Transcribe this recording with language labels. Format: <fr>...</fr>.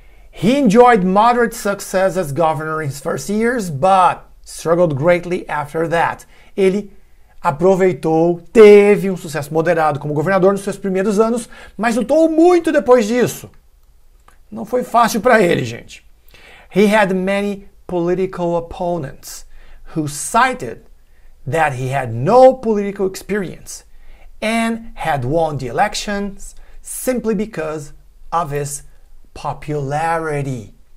<en>He enjoyed moderate success as governor in his first years, but struggled greatly after that.</en> <pt>Ele aproveitou, teve um sucesso moderado como governador nos seus primeiros anos, mas lutou muito depois disso. Não foi fácil para ele, gente.</pt> <en>He had many political opponents who cited that he had no political experience and had won the elections simply because of his popularity.</en>